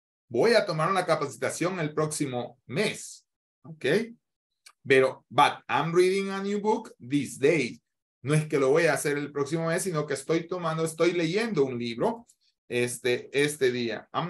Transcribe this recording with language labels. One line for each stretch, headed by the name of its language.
Spanish: Voy a tomar una capacitación el próximo mes.
English: Okay? But I'm reading a new book this day.
Spanish: No es que lo voy a hacer el próximo mes, sino que estoy leyendo un libro este día.